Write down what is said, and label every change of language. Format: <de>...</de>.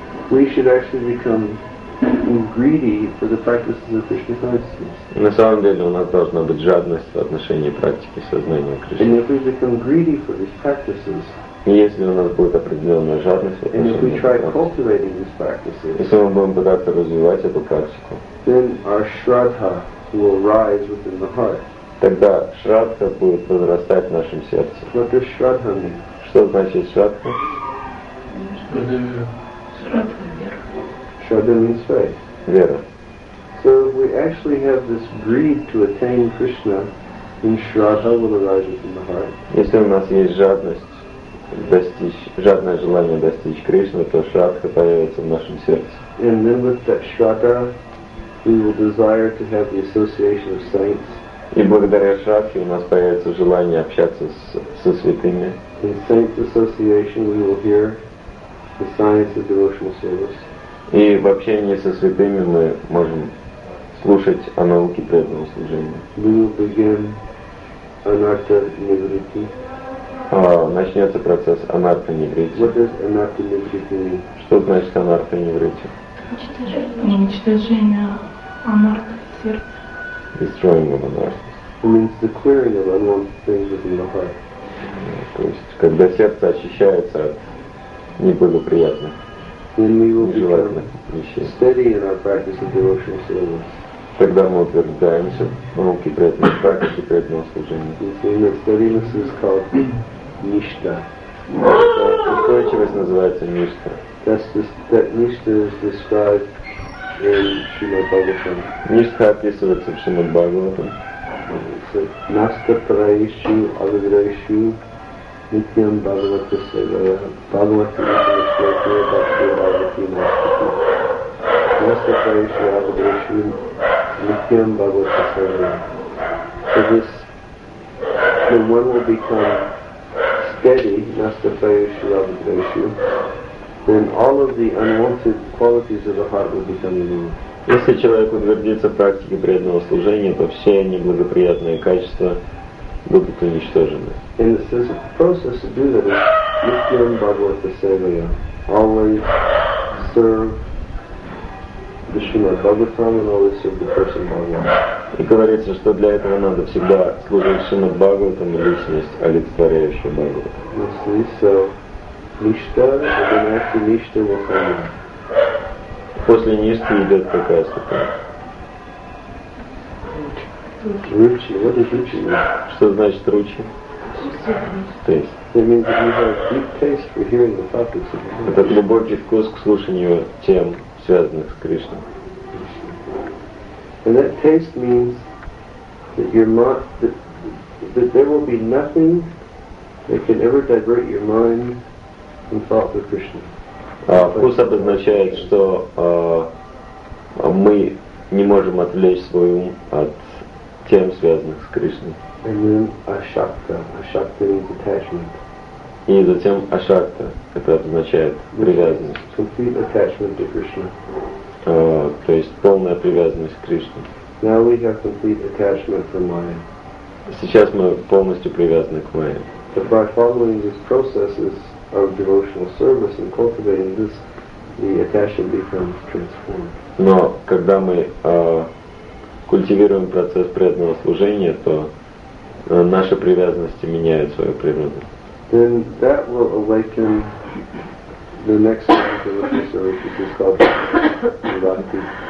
<en>We should actually become greedy for the practices of Krishna consciousness.</en> <ru>На самом деле у нас должна быть жадность в отношении практики сознания Кришны.</ru> <en>And if we become greedy for these practices,</en> <ru>если у нас будет определенная жадность в отношении практики,</ru> <en>and if we try cultivating these practices,</en> <ru>если мы будем пытаться развивать эту практику,</ru> <en>then our shraddha will rise within the heart.</en> <ru>Тогда шрадха будет возрастать в нашем сердце.</ru> <en>What does shraddha mean?</en> <ru>Что значит шрадха?</ru> <en>Shraddha means faith.</en> <ru>Вера.</ru> <en>So we actually have this greed to attain Krishna, and shraddha will arise within the heart.</en> <ru>Если у нас есть жадность достичь, жадное желание достичь Кришны, то шрадха появится в нашем сердце.</ru> <en>And then with that shraddha, we will desire to have the association of saints.</en> <ru>И благодаря шрадхе у нас появится желание общаться со святыми.</ru> <en>In saints association, we will hear the science of devotional service.</en> <ru>И в общении со святыми мы можем слушать о науке преданного служения.</ru> <en>We will begin anartha nivritti.</en> <ru>Начнется процесс anartha nivritti.</ru> <en>What does anartha nivritti mean?</en> <ru>Что значит anartha nivritti? Уничтожение anartha сердца.</ru> <en>Destroying of anartha. It means the clearing of unwanted things within the heart.</en> <ru>То есть, когда сердце очищается от неблагоприятных, нежелательных вещей.</ru> <en>Steady in our practice of devotional service.</en> <ru>Тогда мы утверждаемся в науке преданной практики, преданного служения.</ru> <en>Steadiness is called nishtha.</en> <ru>Устойчивость называется nishtha.</ru> <en>That nishtha is described in Srimad Bhagavatam.</en> <ru>Nishtha описывается в Srimad Bhagavatam.</ru> <sa>Nasta praishu avidraishu Nityam Bhagavata Sevaya Bhagavata Nityam Shvetya Bhakti Bhagavati Nashtati Nasta Parishu Abhadeshu Nityam Bhagavata Sevaya.</sa> <en>So this, when one will become steady,</en> <sa>Nasta Parishu Abhadeshu,</sa> <en>then all of the unwanted qualities of the heart will become removed.</en> <ru>Если человек утвердится в практике преданного служения, то все неблагоприятные качества будут уничтожены.</ru> <en>And it says the process to do that is</en> <sa>Nityam Bhagavata Sevaya.</sa> <en>Always serve the Srimad Bhagavatam and always serve the person Bhagavatam.</en> <ru>И говорится, что для этого надо всегда служить Srimad Bhagavatam и личность, олицетворяющую Бхагаватам.</ru> <en>You see, so Nishtha, and then after Nishtha will come in.</en> <ru>После Ништы идет такая ступень.</ru> <en>Ручи. What is ручи?</en> <ru>Что значит ручи?</ru> <en>Taste. It means that you have a deep taste for hearing the topics of Krishna.</en> <ru>Это глубокий вкус к слушанию тем, связанных с Кришной.</ru> <en>And that taste means that your mind, that there will be nothing that can ever divert your mind from thoughts of Krishna.</en> <ru>Вкус обозначает, что мы не можем отвлечь свой ум от тем, связанных с Кришной.</ru> <en>And then ашакта. Ашакта means attachment.</en> <ru>И затем ашакта. Это означает привязанность.</ru> <en>Complete attachment to Krishna.</en> <ru>То есть полная привязанность к Кришне.</ru> <en>Now we have complete attachment for Maya.</en> <ru>Сейчас мы полностью привязаны к Майе.</ru> <en>But by following these processes of devotional service and cultivating this, the attachment becomes transformed.</en> <ru>Но когда мы культивируем процесс преданного служения, то наши привязанности меняют свою природу.</ru> <en>Then that will awaken the next level of service, which is called bhakti.</en>